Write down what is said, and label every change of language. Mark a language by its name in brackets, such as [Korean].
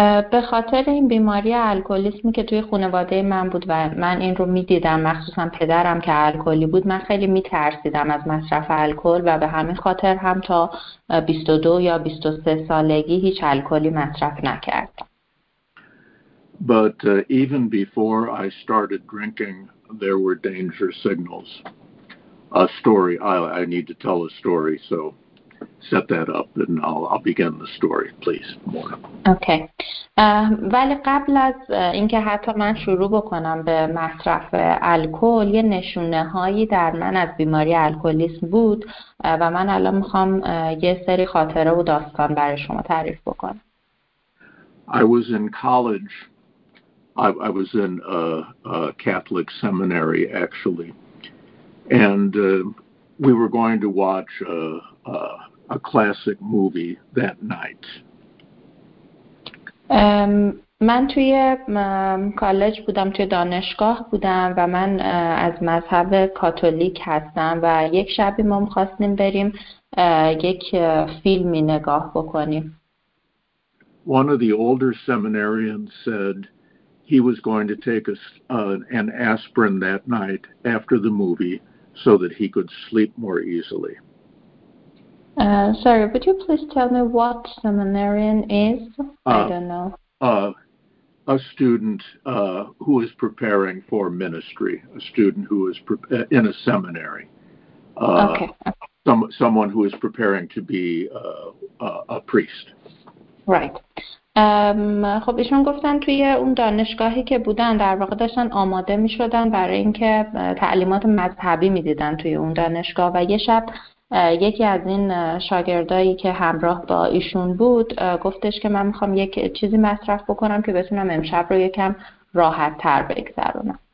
[Persian] به خاطر این بیماری الکلیسمی که توی خانواده من بود و من این رو میدیدم، مخصوصا پدرم که الکلی بود، من خیلی میترسیدم از مصرف الکل و به همین خاطر هم تا 22 یا 23 سالگی هیچ الکلی مصرف نکردم. [English] But even before I started drinking, there were danger signals. I need to tell a story, so set that up and I'll begin the story, please. Okay. [Persian] ولی قبل از اینکه حتی من شروع بکنم به مصرف الکل، یه نشونه هایی در من از بیماری الکلیسم بود و من الان میخوام یه سری خاطره و داستان برای شما تعریف بکنم. [English] I was in college. I was in a Catholic seminary, actually, and we were going to watch a classic movie that night. [Persian] من توی کالج بودم، توی دانشگاه بودم و من از مذهب کاتولیک هستم و یک شبی ما می‌خواستیم بریم یک فیلمی نگاه بکنیم. [English] One of the older seminarians said he was going to take an aspirin that night after the movie so that he could sleep more easily. Sorry, would you please tell me what seminarian is? I don't know. A student who is preparing for ministry, a student who is in a seminary. Okay. Someone who is preparing to be a priest. Right. [Persian] خب ایشون گفتن توی اون دانشگاهی که بودن در واقع داشتن آماده می شدن برای اینکه تعلیمات مذهبی می دیدن توی اون دانشگاه و یه شب یکی از این شاگردایی که همراه با ایشون بود گفتش که من می خوام یک چیزی مصرف بکنم که بتونم امشب رو یکم راحت تر بگذرونم.